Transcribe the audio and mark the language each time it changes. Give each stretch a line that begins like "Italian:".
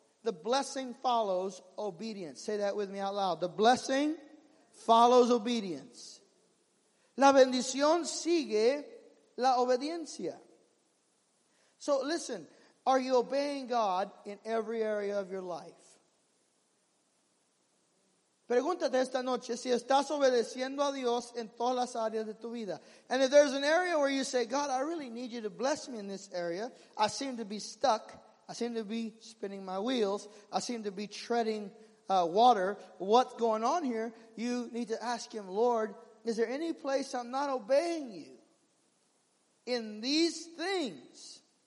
English: The blessing follows obedience. Say that with me out loud. The blessing follows obedience.
Spanish: La bendición sigue la obediencia.
English: So listen, are you obeying God in every area of your life?
Spanish: Pregúntate esta noche si estás obedeciendo a Dios en todas las áreas de tu vida.
English: And if there's an area where you say, God, I really need you to bless me in this area. I seem to be stuck. I seem to be spinning my wheels. I seem to be treading water. What's going on here? You need to ask him, Lord, is there any place I'm not obeying you in these things?